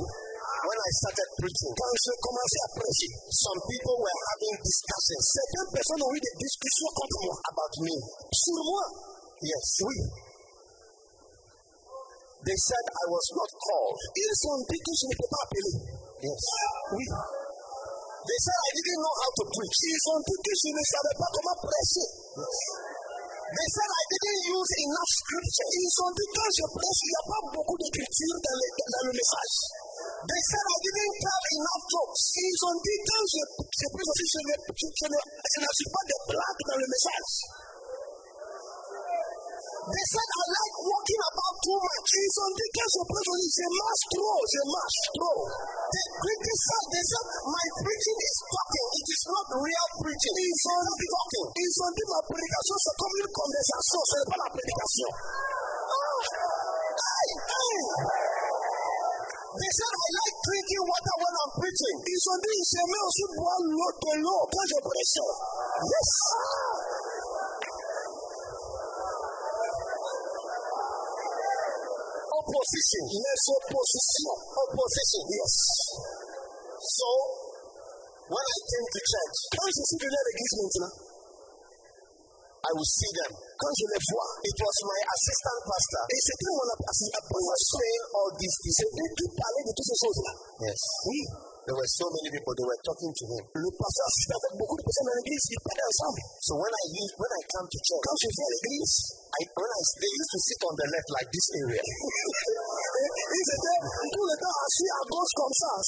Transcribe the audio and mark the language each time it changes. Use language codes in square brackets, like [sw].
[en] when I started preaching, [fr] quand je commençais à prêcher, [en] some people were having discussions. [fr] Certaines personnes ont eu des discussions contre moi. [en] About me. [fr] Sur moi. [en] Yes. [fr] Oui. [en] They said I was not called. [fr] Ils ont dit que je n'étais pas appelé. [en] Yes. [fr] Oui. [en] They said I didn't know how to preach. [fr] Ils ont dit que je ne savais pas comment prêcher. [en] Yes. They said I didn't use enough scripture. [fr] Ils ont dit que je prêche, il n'y a pas beaucoup d'écriture dans le message. [en] They said I didn't tell enough jokes. [fr] Ils ont dit que je prêche aussi, je n'ai pas de blagues dans le message. [en] They said I like walking about too much. [fr] Ils ont dit que je prêche aussi, je marche trop. [en] They criticized. They said my preaching is talking. It is not real preaching. [fr] Ils ont dit [en] talking. [fr] Ils ont dit ma prédication c'est comme une conversation. Ce n'est pas la prédication. Oh, hey, hey. [en] They said I like drinking water when I'm preaching. [fr] Ils ont dit j'aime aussi boire l'eau de l'eau quand je prêche. [en] Yes. Opposition. [fr] Les oppositions. [en] Opposition. Yes. So, when I came to church, [fr] quand je suis venu à l'église maintenant, [en] I will see them. [fr] Quand je les vois, [en] it was my assistant pastor. [fr] Et c'était mon assistant pastor. [en] Saying all these things. [fr] C'était qui parlait de toutes ces choses-là. [en] Yes. [fr] Oui. [en] There were so many people, they were talking to him. [fr] Le pasteur assistait avec beaucoup de personnes à l'église, ils parlaient ensemble. [en] So when I come to church, [fr] quand je suis à l'église, [en] they used to sit on the left like this area. [fr] Ils étaient tout le temps assis à gauche comme ça.